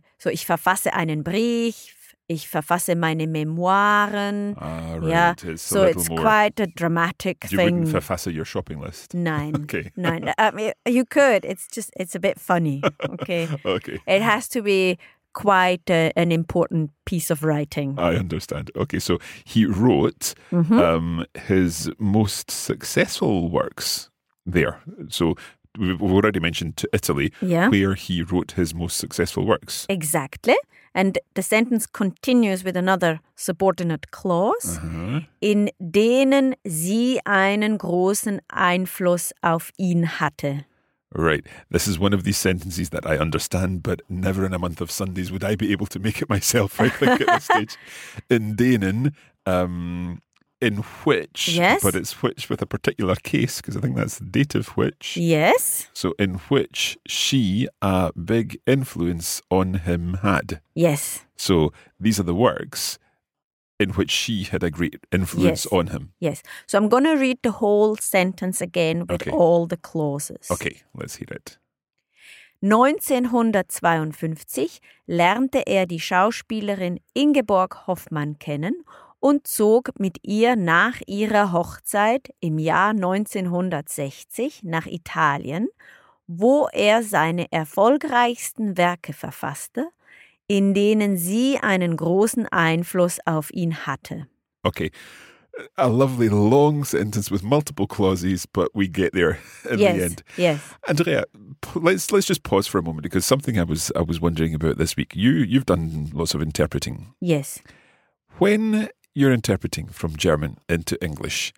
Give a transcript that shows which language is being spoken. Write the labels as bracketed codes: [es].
[de] Ich verfasse einen Brief, ich verfasse meine Memoiren. [en] Ah, right. Yeah. It's quite a dramatic thing. You wouldn't verfasse your shopping list. [de] Nein. [en] Okay. Nein. I mean, you could. It's a bit funny. Okay. Okay. It has to be quite an important piece of writing. I understand. Okay, so he wrote his most successful works there. So we've already mentioned to Italy, where he wrote his most successful works. Exactly. And the sentence continues with another subordinate clause. Uh-huh. [de] In denen sie einen großen Einfluss auf ihn hatte. [en] Right. This is one of these sentences that I understand, but never in a month of Sundays would I be able to make it myself, I think, at this stage. [de] In denen, [en] in which, yes. But it's which with a particular case, because I think that's the dative which. Yes. So in which she a big influence on him had. Yes. So these are the works in which she had a great influence on him. Yes. So I'm going to read the whole sentence again with all the clauses. Okay, let's hear it. [de] 1952 lernte die Schauspielerin Ingeborg Hoffmann kennen und zog mit ihr nach ihrer Hochzeit im Jahr 1960 nach Italien, wo seine erfolgreichsten Werke verfasste, in denen sie einen großen Einfluss auf ihn hatte. [en] Okay, a lovely long sentence with multiple clauses, but we get there in the end. Yes. Andrea, let's just pause for a moment, because something I was wondering about this week. You've done lots of interpreting. Yes. When you're interpreting from German into English.